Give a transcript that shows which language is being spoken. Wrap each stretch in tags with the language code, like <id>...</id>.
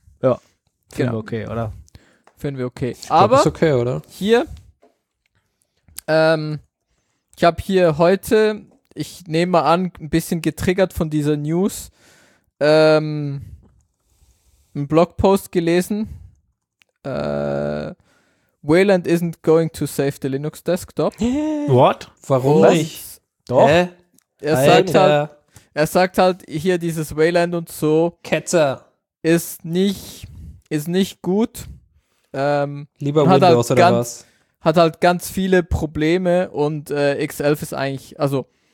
<de>Ja. Finden wir okay, oder? Finden wir okay. Ich aber glaub, ist okay, oder? Hier, ich habe hier heute, ich nehme mal an, ein bisschen getriggert von dieser News, einen Blogpost gelesen.</de> <en>Wayland isn't going to save the Linux desktop. What?</en> <de>Warum nicht? Doch. Er sagt halt, hier dieses Wayland und so. Ketzer. Ist nicht gut. Lieber Windows halt oder ganz, was? Hat halt ganz viele Probleme und X11 ist eigentlich, also.</de>